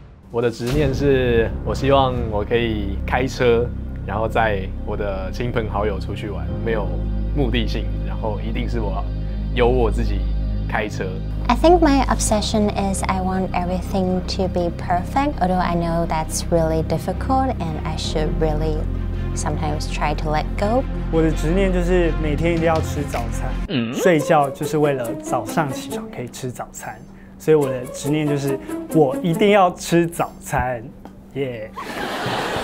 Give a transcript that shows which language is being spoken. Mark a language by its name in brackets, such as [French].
[Chinese] 我的执念是，我希望我可以开车，然后载我的亲朋好友出去玩，没有目的性，然后一定是我由我自己开车。 [English] I think my obsession is I want everything to be perfect, although I know that's really difficult and I should really sometimes try to let go. [Chinese] 我的执念就是每天一定要吃早餐，嗯，睡觉就是为了早上起床可以吃早餐。所以我的执念就是我一定要吃早餐，耶、yeah.